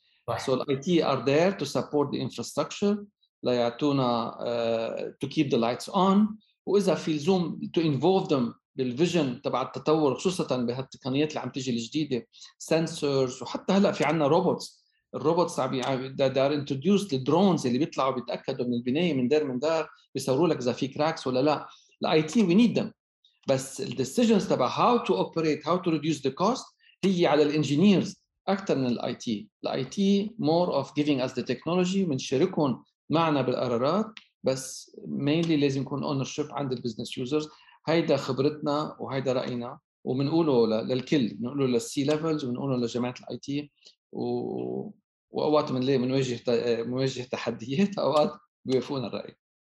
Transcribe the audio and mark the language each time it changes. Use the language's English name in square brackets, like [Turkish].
[Arabic] So الاي تي [English] are there to support the infrastructure، [Arabic] لا يعطونا [English] to keep the lights on، [Arabic] وإذا في لزوم [English] to involve them [Arabic] بال [English] vision [Arabic] تبع التطور، خصوصا بهالتقنيات اللي عم تجي الجديدة [English] sensors، [Arabic] وحتى هلأ في عنا [English] robots، [Arabic] الروبوتس عم دار [English] introduced [Arabic] للدرونز اللي بيطلعوا بيتأكدوا من البناية من دار بيصوروا لك إذا في [English] cracks [Arabic] ولا لا. [English] The IT we need them، [Arabic] بس [English] the decisions [Arabic] تبع [English] how to operate how to reduce the cost [Arabic] هي على [English] الengineers [Arabic] أكثر من [English] the IT. The IT more of giving us the technology، [Arabic] من شركون معنا بالقرارات، بس [English] mainly [Arabic] لازم يكون [English] ownership [Arabic] عند [English] البزنس يوزرز. [Arabic] هيدا خبرتنا وهيدا رأينا، ومنقوله للكل، منقوله [English] للسي ليفلز، [Arabic] ومنقوله لجماعة الاي تي، وأوقات منواجه تحديات، أوقات بيوافقونا الرأي.